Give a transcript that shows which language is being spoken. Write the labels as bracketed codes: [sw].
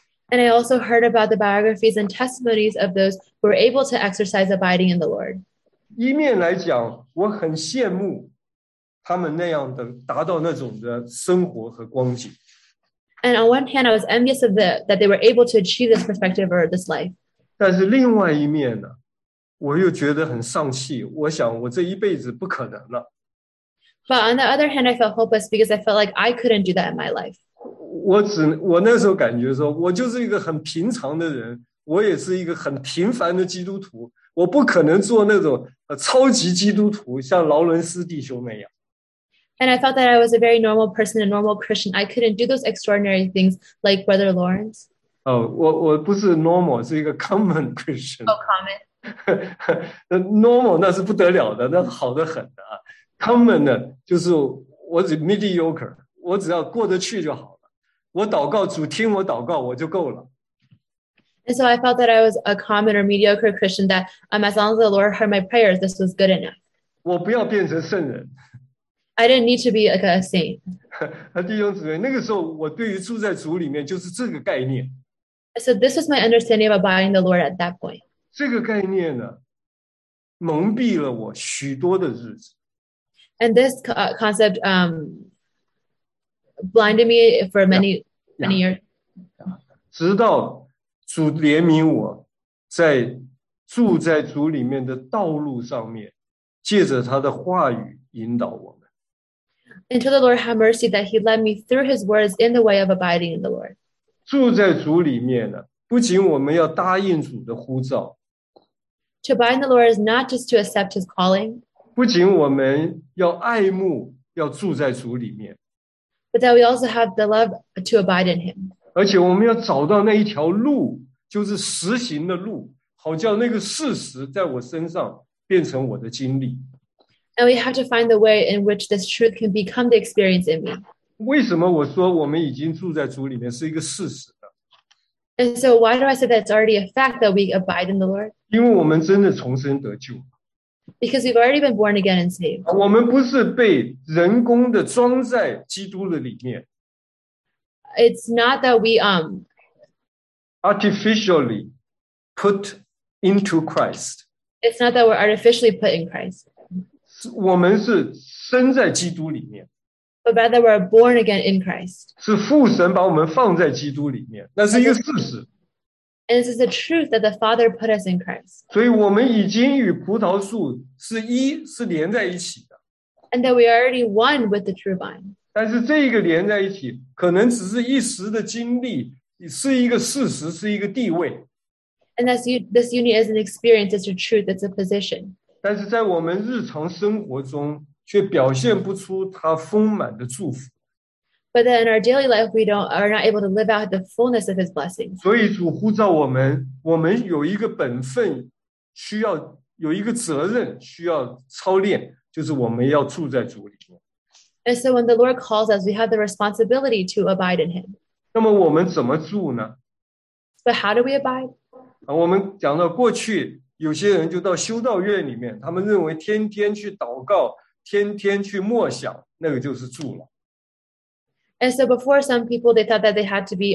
[en] And I also heard about the biographies and testimonies of those who were able to exercise abiding in the Lord. [zh] 一面来讲，我很羡慕他们那样的达到那种的生活和光景。 [en] And on one hand, I was envious of that they were able to achieve this perspective or this life. [zh] 但是另外一面呢，我又觉得很丧气，我想我这一辈子不可能了。 [en] But on the other hand, I felt hopeless because I felt like I couldn't do that in my life. [zh] 我那时候感觉说，我就是一个很平常的人，我也是一个很平凡的基督徒，我不可能做那种超级基督徒，像劳伦斯弟兄那样。 [en] And I felt that I was a very normal person, a normal Christian. I couldn't do those extraordinary things like Brother Lawrence. [zh] Oh, 我不是 normal, 是一个 [en] common Christian. Oh, common. [zh] Normal, 那是不得了的，那是好得很的啊。Common 呢，就是我只 mediocre, 我只要过得去就好了。我祷告，主听我祷告，我就够了。 [en] And so I felt that I was a common or mediocre Christian, that as long as the Lord heard my prayers, this was good enough. [zh] 我不要变成圣人。 [en] I didn't need to be like a saint. [zh] 弟兄姊妹，那个时候我对于住在主里面就是这个概念。 [en] So this was my understanding of abiding the Lord at that point. [zh] 这个概念呢，蒙蔽了我许多的日子。 [en] And this concept blinded me for many years. [zh] 直到主怜悯我，在住在主里面的道路上面，借着他的话语引导我。 [en] Until the Lord had mercy that he led me through his words in the way of abiding in the Lord. [zh] 住在主里面呢，不仅我们要答应主的呼召。 [en] To abide in the Lord is not just to accept his calling. [zh] 不仅我们要爱慕，要住在主里面。 [en] But that we also have the love to abide in him. [zh] 而且我们要找到那一条路，就是实行的路，好叫那个事实在我身上变成我的经历。 [en] And we have to find the way in which this truth can become the experience in me. [zh] 为什么我说我们已经住在主里面是一个事实的？ [en] And so why do I say that it's already a fact that we abide in the Lord? [zh] 因为我们真的重生得救。 [en] Because we've already been born again and saved. [zh] 我们不是被人工的装在基督的里面。 [en] It's not that we artificially put into Christ. It's not that we're artificially put in Christ. [zh] 我们是生在基督里面。 [en] But rather we're born again in Christ. [zh] 是父神把我们放在基督里面，那是一个事实。 [en] And this is the truth that the Father put us in Christ. [zh] 所以我们已经与葡萄树是一，是连在一起的。 [en] And that we are already one with the true vine. [zh] 但是这个连在一起，可能只是一时的经历，是一个事实，是一个地位。 [en] And this union is an experience, it's a truth, it's a position. [zh] 但是在我们日常生活中却表现不出他丰满的祝福。 [en] But then in our daily life, we are not able to live out the fullness of his blessings. [zh] 所以主呼召我们，我们有一个本分，需要有一个责任，需要操练，就是我们要住在主里面。 [en] And so when the Lord calls us, we have the responsibility to abide in him. [zh] 那么我们怎么住呢？ [en] But how do we abide? [zh] 我们讲到过去有些人就到修道院里面，他们认为天天去祷告，天天去默想，那个就是住了。 [en] And so before, some people they thought that they had to be